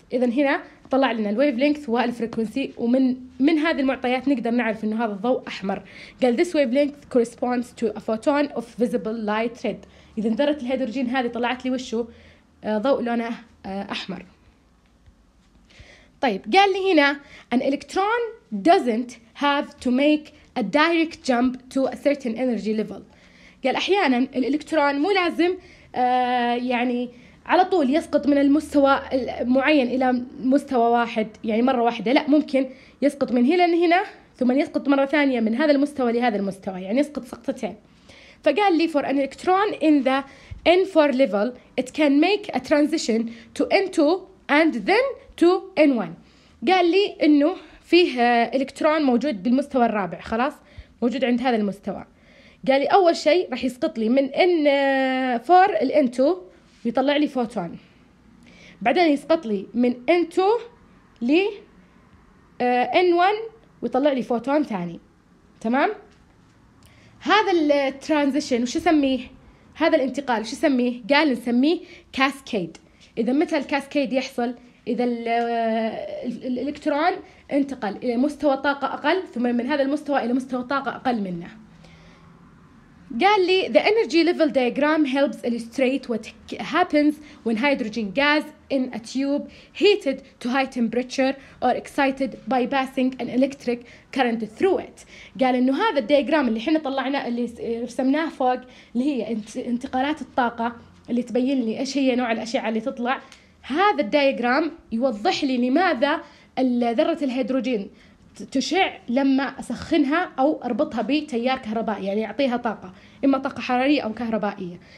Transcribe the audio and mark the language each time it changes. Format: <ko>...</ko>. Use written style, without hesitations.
<ar>اذا هنا طلع لنا الويف لينكث والفريكوينسي، ومن هذه المعطيات نقدر نعرف انه هذا الضوء احمر. قال</ar> <en>this wavelength corresponds to a photon of visible light red.</en> <ar>اذا ذره الهيدروجين هذه طلعت لي وشو ضوء لونه احمر. طيب قال لي هنا</ar> <en>an electron doesn't have to make a direct jump to a certain energy level.</en> <ar>قال احيانا الالكترون مو لازم يعني على طول يسقط من المستوى المعين الى مستوى واحد يعني مره واحده، لا ممكن يسقط من هنا لهنا ثم يسقط مره ثانيه من هذا المستوى لهذا المستوى، يعني يسقط سقطتين. فقال لي</ar> <en>for an electron in the n4 level it can make a transition to n2 and then to n1.</en> <ar>قال لي انه فيه الكترون موجود بالمستوى الرابع، خلاص موجود عند هذا المستوى. قال لي اول شيء راح يسقط لي من ان 4 ال ان 2 ويطلع لي فوتون، بعدين يسقط لي من ان 2 ل ان 1 ويطلع لي فوتون ثاني. تمام، هذا الترانزيشن وش اسميه، هذا الانتقال وش اسميه؟ قال نسميه كاسكيد. اذا متى الكاسكيد يحصل؟ اذا الالكترون انتقل الى مستوى طاقه اقل ثم من هذا المستوى الى مستوى طاقه اقل منه. قال لي</ar> <en>the energy level diagram helps illustrate what happens when hydrogen gas in a tube heated to high temperature or excited by passing an electric current through it.</en> <ar>قال انه هذا الدياجرام اللي احنا طلعنا اللي رسمناه فوق اللي هي انتقالات الطاقه اللي تبين لي ايش هي نوع الاشعه اللي تطلع، هذا الدياجرام يوضح لي لماذا ذرة الهيدروجين تشع لما أسخنها أو أربطها بتيار كهربائي، يعني أعطيها طاقة إما طاقة حرارية أو كهربائية.</ar>